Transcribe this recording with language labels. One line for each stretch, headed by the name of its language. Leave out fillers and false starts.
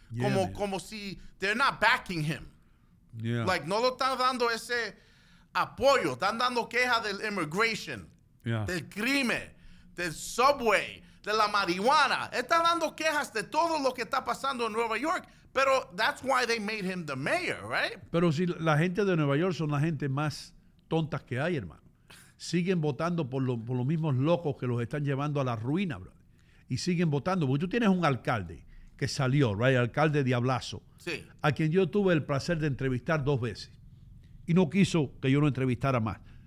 English: Yeah,
Spanish: como si
English: they're not backing him. Yeah.
Spanish: Like, no lo están dando ese apoyo. Están dando queja del immigration,
English: yeah,
Spanish: del crimen, del subway, de la marihuana. Están dando quejas de todo lo que está pasando en Nueva York.
English: Pero that's why they made him the mayor, right?
Spanish: Pero si la gente de Nueva York son la gente más tontas que hay, hermano. Siguen votando por los mismos locos que los están llevando a la ruina, bro. Y siguen votando. Porque tú tienes un alcalde que salió, right? Alcalde Diablazo. Sí. A quien yo tuve el placer de entrevistar 2 veces. Y no quiso que yo lo entrevistara más.